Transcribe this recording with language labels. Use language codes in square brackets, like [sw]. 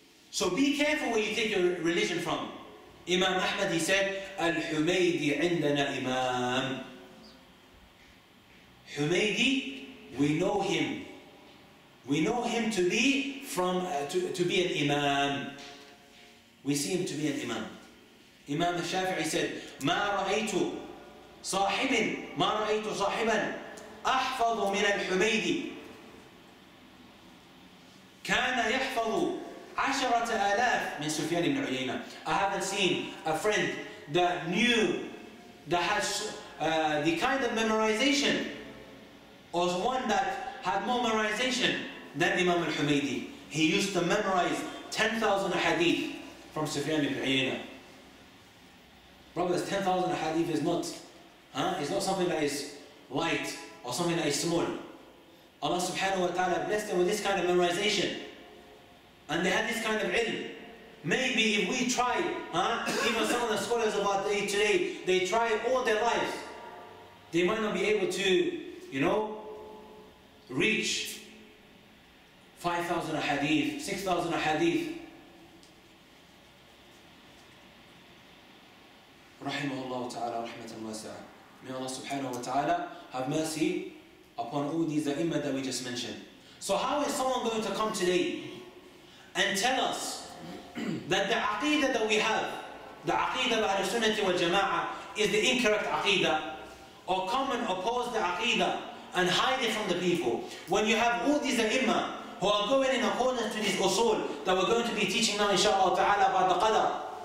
[en] So be careful where you take your religion from. Imam Ahmad, he said, [ar] الْحُمَيْدِ عِنْدَنَا إِمَامٌ. [en] Humaydi, we know him. We know him to be from to be an imam. We see him to be an imam. Imam al-Shafi'i said, [ar] ما رأيت صاحب ما رأيت صاحبا أحفظ من الحميدي كان يحفظ 10,000 من سفيان بن عيينة. [en] I haven't seen a friend that knew that has the kind of memorization or one that had more memorization than Imam al-Humaydi. He used to memorize 10,000 hadith from Sufyan ibn Uyayna. Brothers, 10,000 hadith is not, it's not something that is light or something that is small. Allah subhanahu wa ta'ala blessed them with this kind of memorization. And they had this kind of ilm. Maybe if we try, even some of the scholars about today, they try all their lives, they might not be able to, you know, reach 5,000 hadith, 6,000 hadith. [ar] رحمه الله تعالى رحمة واسعة. [en] May Allah subhanahu wa ta'ala have mercy upon all these a'imma that we just mentioned. So how is someone going to come today and tell us that the aqeedah that we have, the aqeedah of al-sunnati wal-jama'ah, is the incorrect aqeedah, or come and oppose the aqeedah and hide it from the people, when you have all these a'imma who are going in accordance to these usul that we're going to be teaching now inshaAllah ta'ala about the qadr?